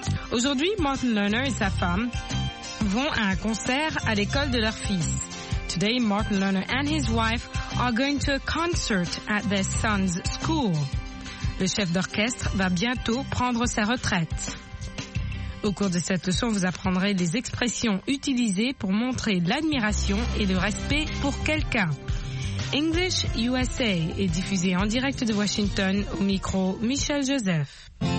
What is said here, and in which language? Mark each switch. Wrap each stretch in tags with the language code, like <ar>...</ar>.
<fr>Aujourd'hui, Martin Lerner et sa femme vont à un concert à l'école de leur fils.</fr> <en>Today, Martin Lerner and his wife are going to a concert at their son's school.</en> <fr>Le chef d'orchestre va bientôt prendre sa retraite. Au cours de cette leçon, vous apprendrez les expressions utilisées pour montrer l'admiration et le respect pour quelqu'un. English USA est diffusé en direct de Washington au micro Michel Joseph.</fr>